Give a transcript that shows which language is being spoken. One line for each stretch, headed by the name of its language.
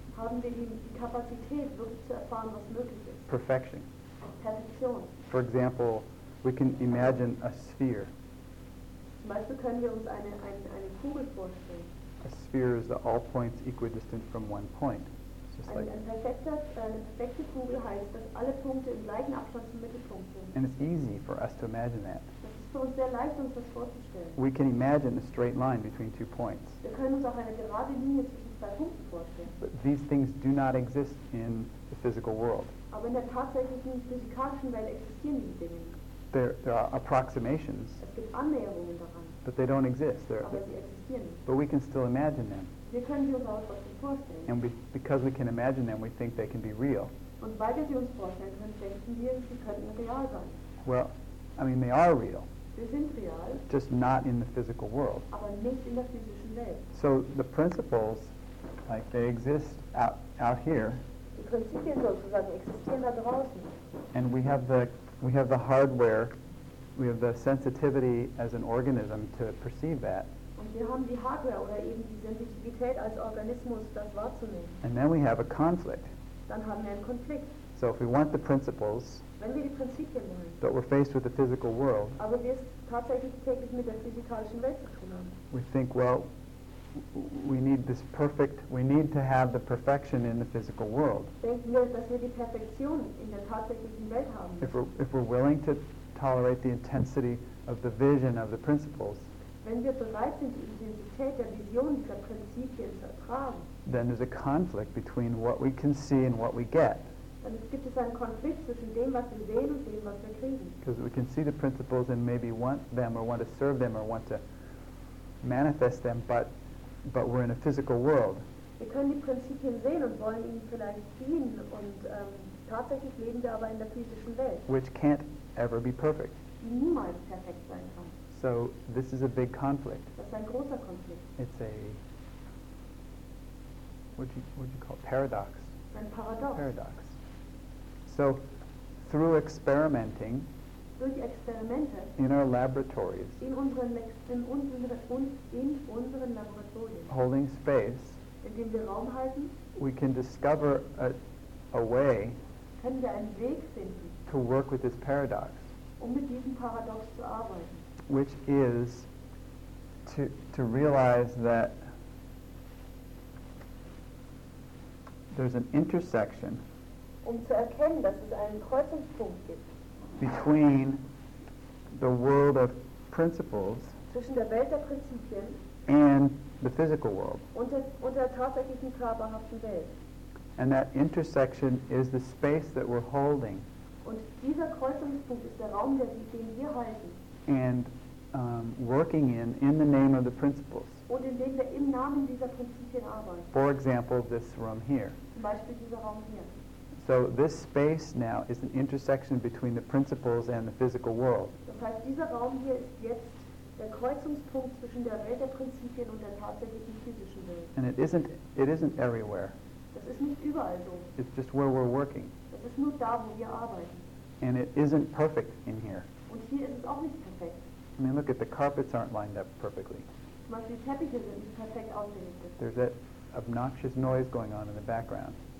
German: Haben wir die Kapazität, wirklich zu erfahren, was möglich ist?
English: Perfection.
German: Perfektion.
English: For example, we can imagine a sphere.
German: Zum Beispiel können wir uns eine Kugel vorstellen.
English: A sphere is the all points equidistant from one point.
German: Eine perfekte Kugel heißt, dass alle Punkte im gleichen Abstand zum Mittelpunkt sind.
English: And it's easy for us to imagine that.
German: Das ist für uns sehr leicht, uns das vorzustellen.
English: We can imagine a straight line between two points.
German: Wir können uns auch eine gerade Linie zwischen zwei Punkten vorstellen.
English: But these things do not exist in the physical world.
German: Aber in der tatsächlichen physikalischen Welt existieren diese Dinge nicht.
English: there are approximations.
German: Es gibt Annäherungen daran.
English: But they don't exist.
German: Aber sie existieren.
English: But we can still imagine them.
German: Wir können sie uns auch trotzdem vorstellen.
English: And because we can imagine them, we think they can be real.
German: Und weil wir sie uns vorstellen können, denken wir, sie könnten real sein.
English: Well, I mean, they are real.
German: Sie sind real.
English: Just not in the physical world.
German: Aber nicht in der physischen Welt.
English: So the principles, like, they exist out here.
German: Die Prinzipien sozusagen existieren da draußen.
English: And we have the hardware. We have the sensitivity as an organism to perceive that.
German: Und wir haben die Hardware oder eben die Sensitivität als Organismus, das wahrzunehmen.
English: And then we have a conflict.
German: Dann haben wir einen Konflikt.
English: So if we want the principles,
German: wenn wir die Prinzipien wollen,
English: but we're faced with the physical world,
German: aber wir tatsächlich täglich mit der physikalischen Welt zu tun haben,
English: we think, well, we need to have the perfection in the physical world.
German: Denken wir, dass wir die Perfektion in der tatsächlichen Welt haben.
English: If we're willing to tolerate the intensity of the vision of the principles,
German: wenn wir bereit sind, die Intensität der Vision dieser Prinzipien zu ertragen,
English: then there's a conflict between what we can see and what we get.
German: Dann gibt es einen Konflikt zwischen dem, was wir sehen, und dem, was wir kriegen.
English: Because we can see the principles and maybe want them or want to serve them or want to manifest them, but we're in a physical world.
German: Wir können die Prinzipien sehen und wollen ihnen vielleicht dienen, und tatsächlich leben wir aber in der physischen Welt.
English: Which can't ever be perfect.
German: Niemals perfekt sein kann.
English: So this is a big conflict.
German: Das ist ein großer Konflikt.
English: It's a, what do you call it? Paradox.
German: Ein Paradox.
English: Paradox. So through experimenting,
German: durch Experimente,
English: in our laboratories,
German: in unseren Laboratorien,
English: holding space,
German: indem wir Raum halten,
English: we can discover a way,
German: können wir einen Weg finden,
English: to work with this paradox,
German: um mit diesem Paradox zu arbeiten,
English: which is to realize that there's an intersection,
German: um zu erkennen, dass es einen Kreuzungspunkt gibt,
English: between the world of principles,
German: zwischen der Welt der Prinzipien,
English: and the physical world,
German: und der tatsächlichen körperhaften Welt.
English: And that intersection is the space that we're holding.
German: Und dieser Kreuzungspunkt ist der Raum, den wir halten.
English: And working in the name of the principles.
German: Und indem wir im Namen dieser Prinzipien arbeiten.
English: For example, this room here.
German: Zum Beispiel dieser Raum hier.
English: So this space now is an intersection between the principles and the physical world.
German: Das heißt, dieser Raum hier ist jetzt der Kreuzungspunkt zwischen der Welt der Prinzipien und der tatsächlichen physischen Welt.
English: And it isn't everywhere.
German: Das ist nicht überall so.
English: It's just where we're working.
German: Das ist nur da, wo wir arbeiten.
English: And it isn't perfect in here.
German: Und hier ist es auch nicht perfekt.
English: I mean, look at the carpets aren't lined up perfectly.
German: Zum Beispiel die Teppiche sind nicht perfekt ausgerichtet.
English: There's that obnoxious noise going on in the background.